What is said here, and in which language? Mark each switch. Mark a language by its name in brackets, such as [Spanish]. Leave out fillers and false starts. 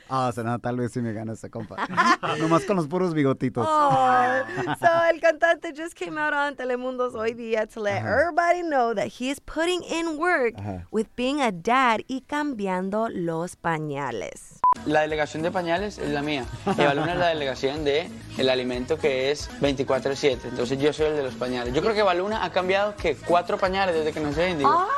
[Spanish] Ah, será, tal vez sí me gana ese compa. Nomás con los puros bigotitos. [English] So, [Spanish] el cantante [English] just came out on Telemundo's Hoy Día to let everybody know that he is putting in work with being a dad [Spanish] y cambiando los pañales. La delegación de pañales es la mía. Evaluna es la delegación de el alimento que es 24/7. Entonces yo soy el de los pañales. Yo creo que Evaluna ha cambiado que 4 pañales desde que nos vendió.